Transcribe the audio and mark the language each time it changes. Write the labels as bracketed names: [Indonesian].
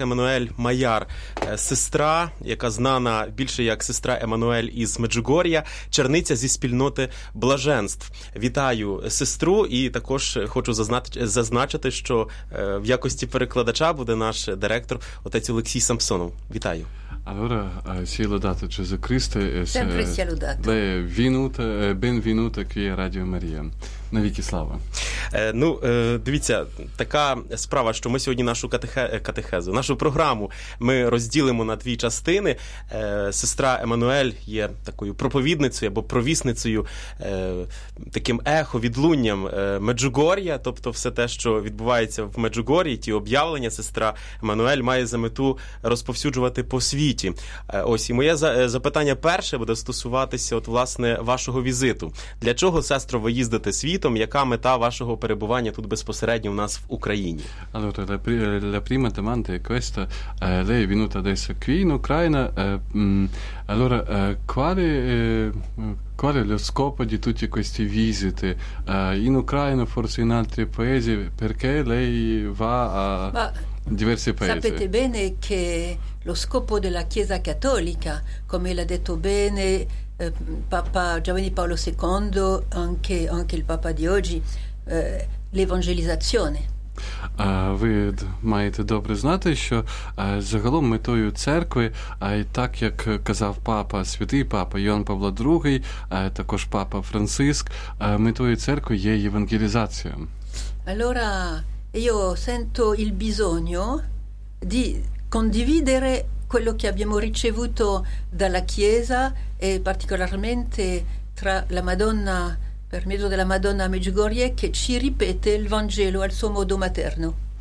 [Ukrainian] Еммануель Майяр, сестра, яка знана більше як сестра Еммануель із Меджугор'я, черниця зі спільноти блаженств. Вітаю сестру і також хочу зазначити, що в якості перекладача буде наш директор, отець Олексій Самсонов. Вітаю. [Italian] Allora, si è lodato Gesù Cristo e sempre si è lodato. Lei è venuta, benvenuta qui a Radio Maria. [Ukrainian] Навіки слава. Дивіться, така справа, що ми сьогодні нашу катехезу, нашу програму ми розділимо на дві частини. Сестра Еммануель є такою проповідницею або провісницею, таким ехо, відлунням Меджугор'я, тобто все те, що відбувається в Меджугор'ї, ті об'явлення сестра Еммануель має за мету розповсюджувати по світі. Ось, і моє запитання перше буде стосуватися, от, власне, вашого візиту. Для чого, сестро, ви їздите світ? Яка мета вашого перебування тут безпосередньо у нас в Україні? [Italian] Allora, la prima domanda è questa. Lei è venuta adesso qui in Ucraina. Allora, qual è lo scopo di tutte queste visite? In Ucraina, forse in altri paesi, perché lei va a diversi paesi? Sapete bene che lo scopo della Chiesa Cattolica, come l'ha detto bene Papa Giovanni Paolo II, anche il Papa di oggi, l'evangelizzazione. [Ukrainian] Ви маєте добре знати, що загалом метою церкви, так як казав Папа, святий Папа Йоан Павло II, також Папа Франциск, метою церкви є евангелізація. [Italian] Allora, io sento il bisogno di condividere quello che abbiamo ricevuto dalla Chiesa e particolarmente tra la Madonna, per mezzo della Madonna Međugorje, che ci ripete il Vangelo al suo modo materno.